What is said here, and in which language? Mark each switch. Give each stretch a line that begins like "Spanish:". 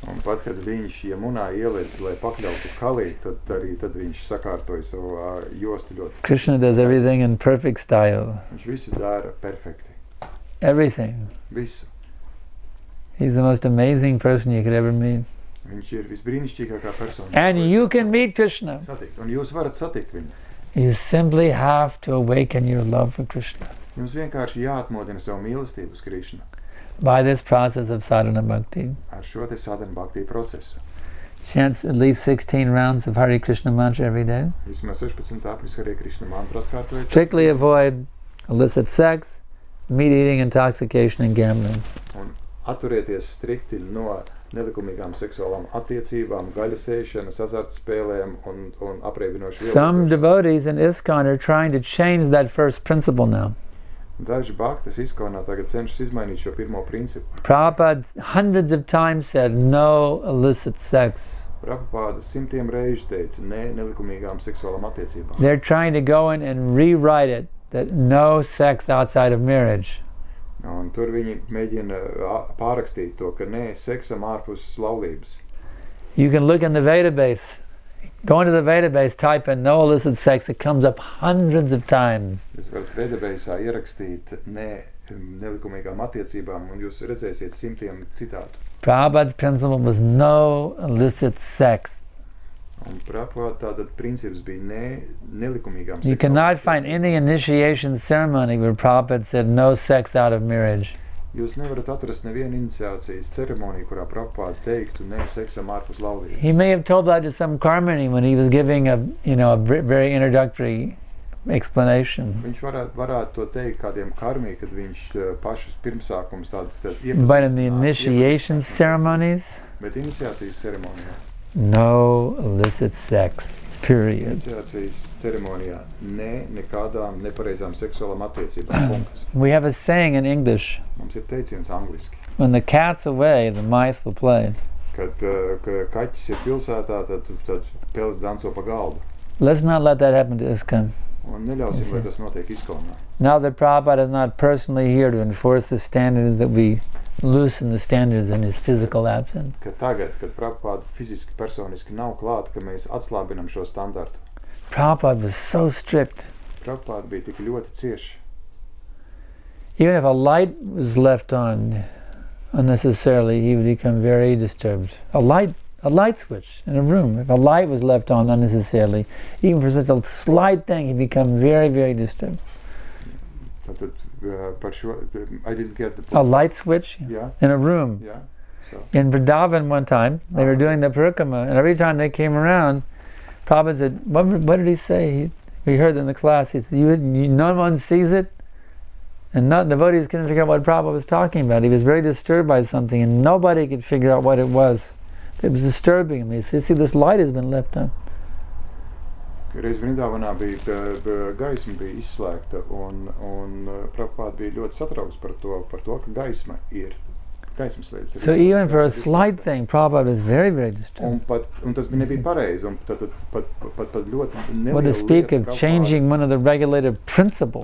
Latvian: Un pat, kad viņš Jamunā ielēca, lai pakļautu Kaliju, tad viņš sakārtoja savu jostu ļoti.
English: Krishna does everything in perfect style.
Latvian: Viņš visu dara perfekti.
English: Everything.
Latvian: Visu.
English: He's the most amazing person you could ever meet.
Latvian: Viņš ir visbrīnišķīgākā persona.
English: And you can meet Krishna.
Latvian: Satikt, un jūs varat satikt viņu.
English: You simply have to awaken your love for Krishna.
Latvian: Jums vienkārši jāatmodina savu mīlestību uz Krishna.
English: By this process of sadhana bhakti.
Latvian: Ar šo te sadhana bhakti procesu.
English: Chants at least 16 rounds of Hare Krishna mantra every day.
Latvian: Vismaz 16 apjus Hare Krishna mantra atkārtojot.
English: Strictly avoid illicit sex, meat eating, intoxication and gambling.
Latvian: Un aturieties strikti no nelikumīgām seksuālām attiecībām, gaļasēšanas, azartspēlēm un apreibinošu vielu.
English: Some devotees in ISKCON are trying to change that first principle now.
Latvian: Daži bhaktas ISKCONā tagad cenšas izmainīt šo pirmo principu.
English: Prabhupāda hundreds of times said no illicit sex.
Latvian: Prabhupāda simtiem reižu teica nē nelikumīgām seksuālām attiecībām.
English: They're trying to go in and rewrite it that no sex outside of marriage.
Latvian: Un tur viņi mēģina pārakstīt to, ka nē, seksam ārpus laulības.
English: You can look in the Veda base. Go into the Veda base, type in no illicit sex. It comes up hundreds of times.
Latvian: Jūs varat Veda base ierakstīt nē, nelikumīgām attiecībām, un jūs redzēsiet simtiem citātu.
English: Prabhupāda principle was no illicit sex.
Latvian: Un Prabhupāda tātad principus bija nē, nelikumīgām seksuālām.
English: You cannot find any initiation ceremony where Prabhupāda said no sex out of marriage.
Latvian: Jūs nevarat atrast nevienu iniciācijas ceremoniju, kurā Prabhupāda teiktu nē, seksam ārpus laulības.
English: He may have told that to some karmani when he was giving a, you know, a very introductory explanation.
Latvian: Viņš varētu to teikt kādiem karmī, kad viņš pašus pirmsākums tāds iepazīstināt.
English: But in the initiation ceremonies?
Latvian: Bet iniciācijas ceremonijā.
English: No illicit sex, period.
Latvian: Iniciācijas ceremonijā nē nekādām nepareizām seksuālām attiecībām.
English: We have a saying in English.
Latvian: Mums ir teiciens angliski.
English: When the cat's away, the mice will play.
Latvian: Kad kaķis ir pilsētā, tad pels danco pa galdu.
English: Let's not let that happen to ISKCON.
Latvian: Un neļausim, lai tas notiek ISKCONā.
English: Now that Prabhupada is not personally here to enforce the standards that we loosen the standards in his physical absence.
Latvian: Ka tagad, kad Prabhupāda fiziski personiski nav klāt, ka mēs atslābinam šo standartu.
English: Prabhupāda was so strict.
Latvian: Prabhupāda bija tik ļoti cieši.
English: Even if a light was left on unnecessarily, he would become very disturbed. A light switch in a room, if a light was left on unnecessarily, even for such a slight thing, he'd become very, very disturbed. I didn't get the point. A light switch in a room. In Vrindavan one time, they were doing the parikrama, and every time they came around, Prabhupada said, what did he say? We heard in the class, he said, no one sees it, and not devotees couldn't figure out what Prabhupada was talking about. He was very disturbed by something, and nobody could figure out what it was. It was disturbing him. He said, see, this light has been left on.
Latvian: Reiz Vrindāvanā bija gaisma bija izslēgta un Prabhupāda bija ļoti satraukts par to, ka gaisma ir. Gaismas lietas ir.
English: So even for a slight thing, Prabhupāda is very, very disturbed.
Latvian: Un tas nebija pareizi, un tad ļoti nelielu lietu.
English: What to speak of changing one of the regulative principles.